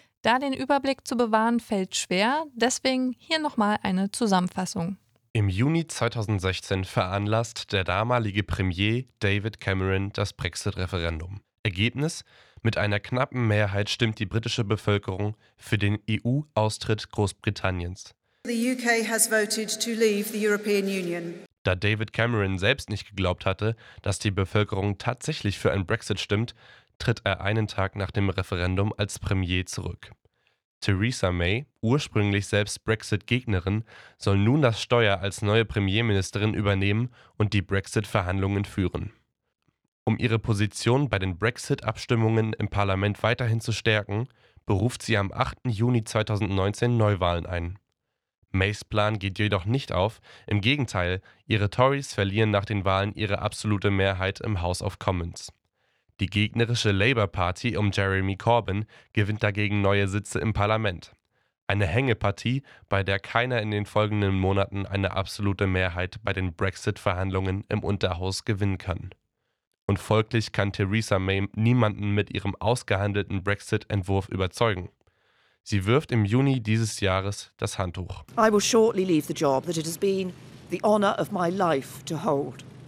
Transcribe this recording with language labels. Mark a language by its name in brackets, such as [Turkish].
[German] Da den Überblick zu bewahren fällt schwer, deswegen hier nochmal eine Zusammenfassung. Im Juni 2016 veranlasst der damalige Premier David Cameron das Brexit-Referendum. Ergebnis: Mit einer knappen Mehrheit stimmt die britische Bevölkerung für den EU-Austritt Großbritanniens. [English] The UK has voted to leave the European Union. [German] Da David Cameron selbst nicht geglaubt hatte, dass die Bevölkerung tatsächlich für ein Brexit stimmt, tritt er einen Tag nach dem Referendum als Premier zurück. Theresa May, ursprünglich selbst Brexit-Gegnerin, soll nun das Steuer als neue Premierministerin übernehmen und die Brexit-Verhandlungen führen. Um ihre Position bei den Brexit-Abstimmungen im Parlament weiterhin zu stärken, beruft sie am 8. Juni 2019 Neuwahlen ein. Mays Plan geht jedoch nicht auf, im Gegenteil, ihre Tories verlieren nach den Wahlen ihre absolute Mehrheit im House of Commons. Die gegnerische Labour Party um Jeremy Corbyn gewinnt dagegen neue Sitze im Parlament. Eine Hängepartie, bei der keiner in den folgenden Monaten eine absolute Mehrheit bei den Brexit-Verhandlungen im Unterhaus gewinnen kann. Und folglich kann Theresa May niemanden mit ihrem ausgehandelten Brexit-Entwurf überzeugen. Sie wirft im Juni dieses Jahres das Handtuch. [English] I will shortly leave the job that it has been the honor of my life to hold.